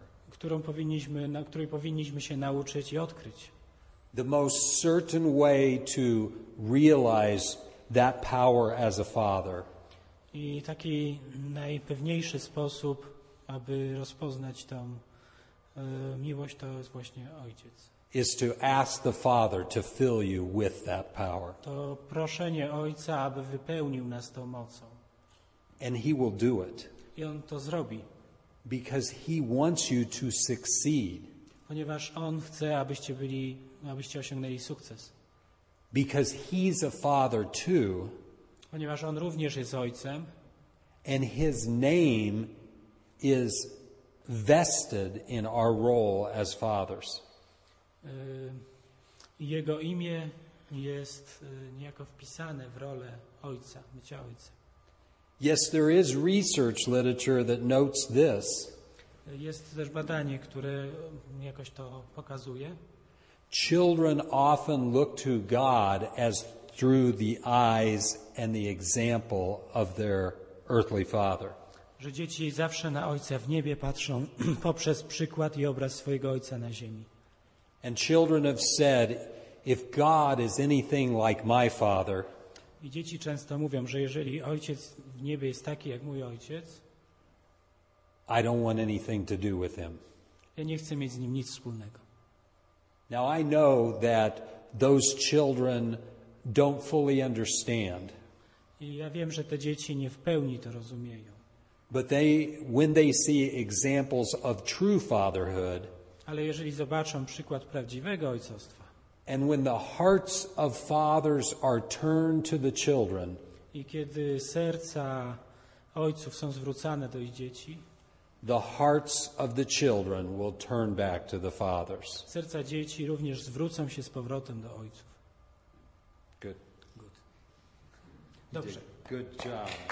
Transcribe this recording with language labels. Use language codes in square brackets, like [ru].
[pl] Którą powinniśmy, na której powinniśmy się nauczyć i odkryć. [en] The most certain way to realize that power as a father. [pl] I taki najpewniejszy sposób, aby rozpoznać tą miłość, to jest właśnie ojciec. [en] Is to ask the Father to fill you with that power. [pl] To proszenie ojca, aby wypełnił nas tą mocą. [en] And he will do it. [pl] I on to zrobi. [en] Because he wants you to succeed. [pl] Ponieważ on chce, abyście byli, abyście osiągnęli sukces. [en] Because he's a father too. [pl] Ponieważ on również jest ojcem. [en] And his name is vested in our role as fathers. [pl] Jego imię jest niejako wpisane w rolę ojca, bycia ojcem. [en] Yes, there is research literature that notes this. [pl] Jest też badanie, które jakoś to pokazuje. [en] Children often look to God as through the eyes and the example of their earthly father. [pl] Że dzieci zawsze na ojca w niebie patrzą poprzez przykład i obraz swojego ojca na ziemi. [en] And children have said, if God is anything like my father, [pl] i dzieci często mówią, że jeżeli ojciec w niebie jest taki jak mój ojciec, [en] I don't want anything to do with him. [pl] Ja nie chcę mieć z nim nic wspólnego. [en] Now I know that those children don't fully understand. [pl] I ja wiem, że te dzieci nie w pełni to rozumieją. [en] But they, when they see examples of true fatherhood, [pl] ale jeżeli zobaczą przykład prawdziwego ojcostwa, [en] and when the hearts of fathers are turned to the children, [pl] i kiedy serca ojców są zwrócane do ich dzieci, [en] the hearts of the children will turn back to the fathers. [pl] Serca dzieci również zwrócą się z powrotem do ojców. [en] Good. Good. [pl] Dobrze. [en] Good job.